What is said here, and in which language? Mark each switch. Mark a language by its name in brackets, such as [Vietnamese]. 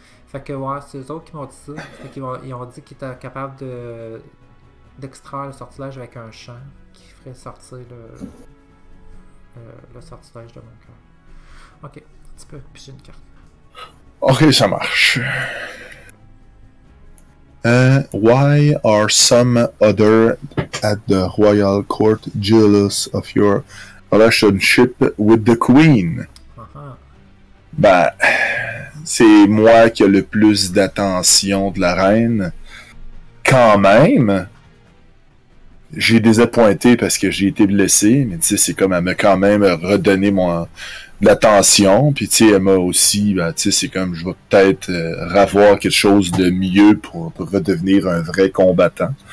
[French] Fait que, ouais, c'est eux autres qui m'ont dit ça. Fait qu'ils ont dit qu'ils étaient capables d'extraire le sortilège avec un chant qui ferait sortir le sortilège de mon cœur. Ok, un petit peu, puis j'ai une carte. Ok, ça marche. [English] Why are some other at the royal court jealous of your relationship with the queen? [French] Ben, c'est moi qui ai le plus d'attention de la reine. Quand même, j'ai désappointé parce que j'ai été blessé, mais tu sais, c'est comme elle m'a quand même redonné mon de l'attention, puis tu sais, elle m'a aussi, ben, tu sais, c'est comme je vais peut-être avoir quelque chose de mieux pour redevenir un vrai combattant.